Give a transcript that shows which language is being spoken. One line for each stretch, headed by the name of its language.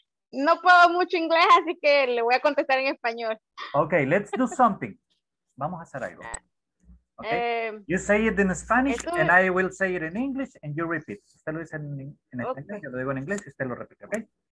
Spanish: No puedo mucho inglés, así que le voy a contestar en español.
English: Okay, let's do something.
Spanish: Vamos a hacer algo.
English: Okay. You say it in Spanish and I will say it in English and you repeat.
Spanish: Usted lo dice en español, yo lo digo en inglés y usted lo repite, okay?